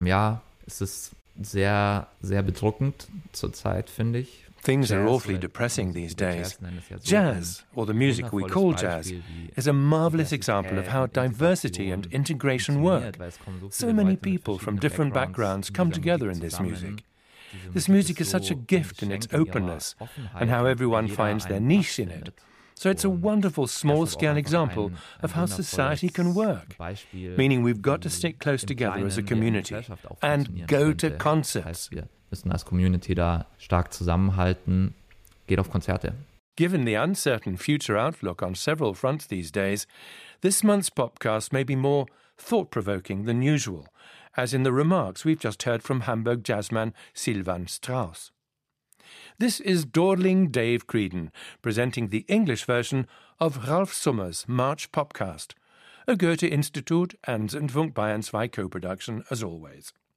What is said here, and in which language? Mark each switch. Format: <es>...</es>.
<de>ja, es ist sehr, sehr bedrückend zurzeit, finde ich.</de> <en>Things are awfully depressing these days. Jazz, or the music we call jazz, is a marvelous example of how diversity and integration work. So many people from different backgrounds come together in this music. This music is such a gift in its openness and how everyone finds their niche in it. So it's a wonderful small-scale example of how society can work, meaning we've got to stick close together as a community and go to concerts.</en> <de>Müssen als Community da stark zusammenhalten, geht auf Konzerte.</de> <en>Given the uncertain future outlook on several fronts these days, this month's podcast may be more thought-provoking than usual, as in the remarks we've just heard from Hamburg jazzman Sylvain Strauss. This is Dawdling Dave Creedon presenting the English version of Ralf Summer's March podcast, a Goethe-Institut and Funk Bayern 2 co-production, as always.</en>